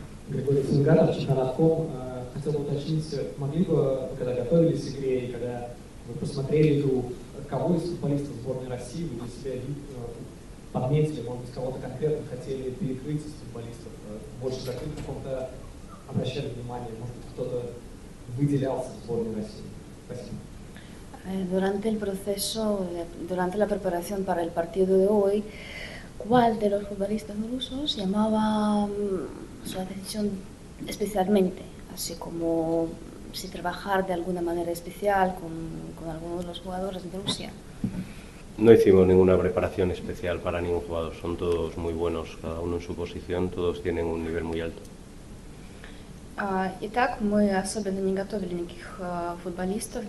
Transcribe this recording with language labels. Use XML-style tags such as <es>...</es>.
<ru>Григорий Цингаров, Чемпионат.ком. Хотел бы уточнить, могли бы, когда готовились к игре, и когда вы посмотрели игру, кого из футболистов сборной России вы для себя подметили, может быть, кого-то конкретно хотели перекрыть из футболистов, больше закрыть, каком-то обращали внимание, может быть, кто-то выделялся в сборной России. Спасибо.</ru> <es>Durante el proceso, durante la preparación para el partido de hoy, ¿cuál de los futbolistas rusos llamaba su atención especialmente? Así como si trabajar de alguna manera especial con algunos de los jugadores de Rusia. No hicimos ninguna preparación especial para ningún jugador. Son todos muy buenos, cada uno en su posición, todos tienen un nivel muy alto.</es> <ru>Итак, мы особенно не готовили никаких футболистов.</ru>